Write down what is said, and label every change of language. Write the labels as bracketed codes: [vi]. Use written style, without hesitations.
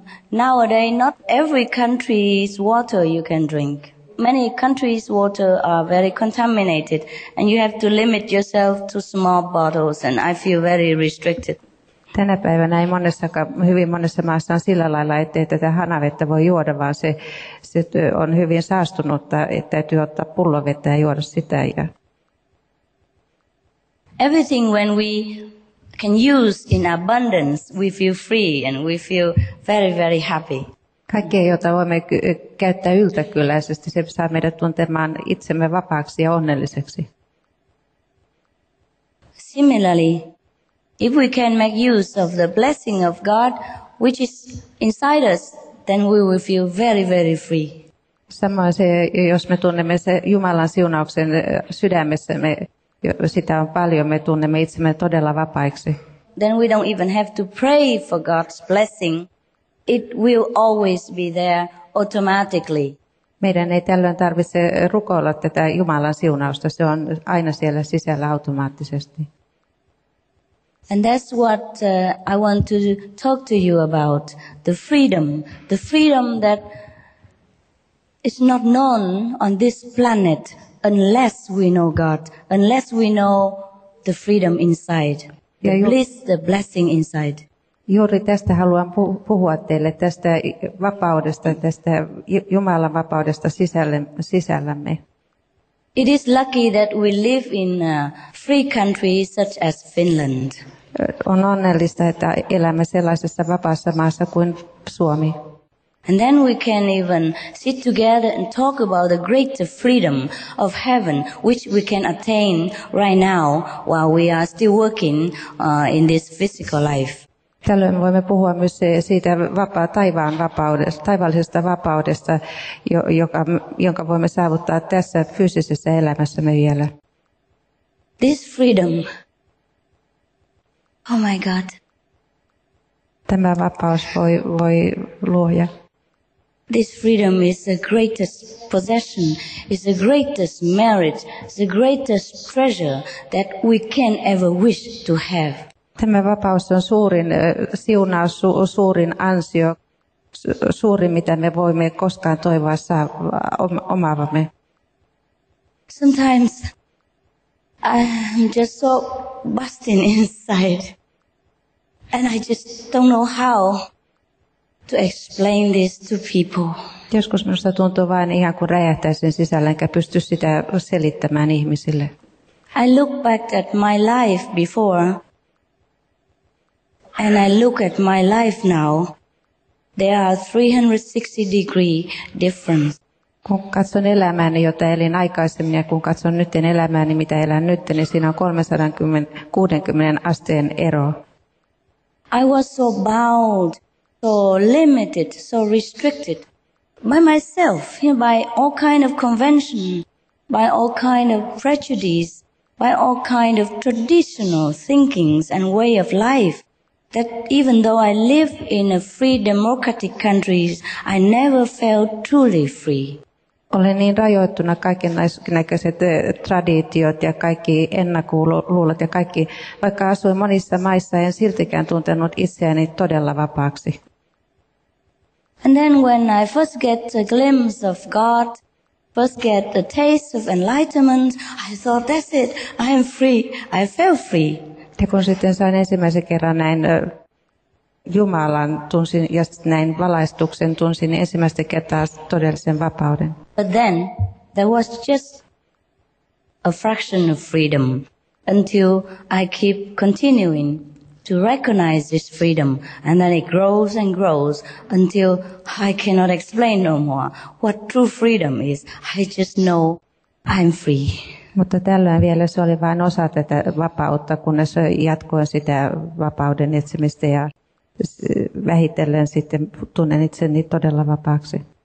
[en] Nowadays, not every country's water you can drink. Many countries' water are very contaminated, and you have to limit yourself to small bottles, and I feel very restricted. [fi] Tänä päivänä ei hyvin monessa maassa on sillä lailla, ettei tätä hanavettä voi juoda, vaan se on hyvin saastunutta, että täytyy ottaa pullovettä ja juoda sitä. [en] Everything when we can use in abundance, we feel free and we feel very, very happy. [fi] Kaikkea, jota voimme käyttää yltäkylläisesti, se saa meidät tuntemaan itsemme vapaaksi ja onnelliseksi. [en] Similarly, if we can make use of the blessing of God, which is inside us, then we will feel very, very free. [fi] Samoin se, jos me tunnemme se Jumalan siunauksen sydämessä, me sitä on paljon, me tunnemme itsemme todella vapaiksi. [en] Then we don't even have to pray for God's blessing. It will always be there automatically. [fi] Meidän ei tällöin tarvitse rukoilla tätä Jumalan siunausta. Se on aina siellä sisällä automaattisesti. [en] And that's what I want to talk to you about. The freedom that is not known on this planet unless we know God, unless we know the freedom inside, the blessing inside. [fi] Juuri tästä haluan puhua teille, tästä vapaudesta, tästä Jumalan vapaudesta sisällämme. [en] It is lucky that we live in a free country such as Finland. [fi] On onnellista, että elämme sellaisessa vapaassa maassa kuin Suomi. [en] And then we can even sit together and talk about the greater freedom of heaven, which we can attain right now while we are still working in this physical life. [fi] Tällöin voimme puhua myös siitä taivaan vapaudesta, taivaallisesta vapaudesta, jonka voimme saavuttaa tässä fyysisessä elämässämme vielä. [en] This freedom. Oh my God. [fi] Tämä vapaus voi luoja. [en] This freedom is the greatest possession, is the greatest merit, the greatest treasure that we can ever wish to have. [fi] Tämä vapaus on suurin siunaus, suurin ansio, suurin mitä me voimme koskaan toivoa omaavamme. [en] Sometimes I'm just so busting inside and I just don't know how to explain this to people. [fi] Joskus minusta tuntuu vain ihan kuin räjähtäisin sisällä, enkä pysty sitä selittämään ihmisille. [en] I look back at my life before and I look at my life now. There are 360 degree difference. [fi] Kun katson elämääni, jota elin aikaisemmin, ja kun katson nyt elämääni, mitä elän nyt, niin siinä on 360 asteen ero. [en] I was so bound, so limited, so restricted by myself, by all kind of convention, by all kind of prejudice, by all kind of traditional thinkings and way of life. That even though I live in a free democratic countries, I never felt truly free. [fi] Olen niin rajoittuna kaikennäköiset traditiot ja kaikki ennakkoluulot ja kaikki, vaikka asuin monissa maissa, en siltikään tuntenut itseäni todella vapaaksi. [en] And then when I first get a glimpse of God, first get a taste of enlightenment, I thought that's it, I am free, I felt free. [fi] Ja kun sitten sain ensimmäisen kerran näin Jumalan tunsin ja näin valaistuksen tunsin ensimmäistä kertaa todellisen vapauden. [en] But then there was just a fraction of freedom until I keep continuing to recognize this freedom and then it grows and grows until I cannot explain no more what true freedom is. I just know I'm free. [fi] Mutta tällöin vielä se oli vain osa tätä vapautta, kunnes jatkoin sitä vapauden etsimistä ja vähitellen sitten tunnen itseni todella vapaaksi.